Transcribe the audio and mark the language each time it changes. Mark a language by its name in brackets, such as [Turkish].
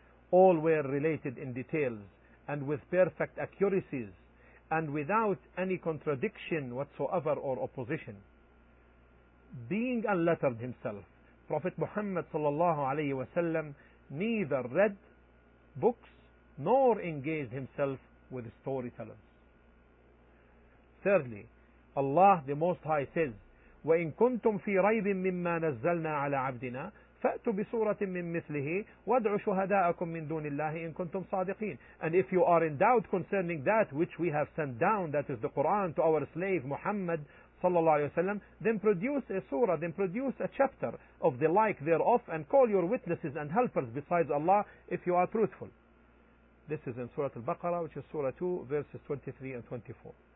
[English] All were related in details and with perfect accuracies and without any contradiction whatsoever or opposition. Being unlettered himself, Prophet Muhammad sallallahu alayhi wa sallam neither read books nor engaged himself with storytellers. Thirdly, Allah the Most High says, [Arabic] وَإِن كُنْتُمْ فِي رَيْبٍ مِّمَّا نَزَّلْنَا عَلَىٰ عَبْدِنَا فَأْتُوا بِسُورَةٍ مِّن مِّثْلِهِ وَادْعُوا شُهَدَاءَكُمْ مِّن دُونِ اللَّهِ إِن كُنْتُمْ صَادِقِينَ. [English] And if you are in doubt concerning that which we have sent down, that is the Quran, to our slave Muhammad sallallahu alayhi wa sallam, then produce a surah, then produce a chapter of the like thereof, and call your witnesses and helpers besides Allah if you are truthful. This is in Surah Al-Baqarah, which is Surah 2, verses 23 and 24.